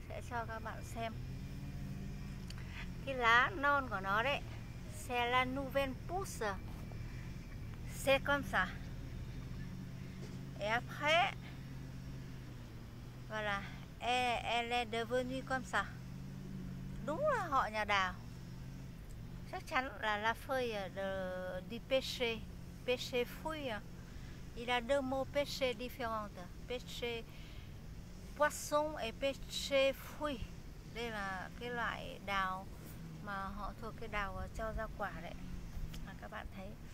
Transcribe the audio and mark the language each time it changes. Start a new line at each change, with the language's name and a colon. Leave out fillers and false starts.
Vietnamese: Cho các bạn xem cái lá non của nó đấy.
French: C'est la nouvelle pousse. C'est comme ça. Et après, voilà, elle est devenue comme ça.
Vietnamese: Đúng là họ nhà đào. Chắc chắn là
French: la feuille du pêcher. Pêcher fruit. Il a deux mots pêcher différentes. Pêcher poisson et pêcher fruit.
Vietnamese: Đây là cái loại đào mà họ thuộc cái đào cho ra quả đấy. Các bạn thấy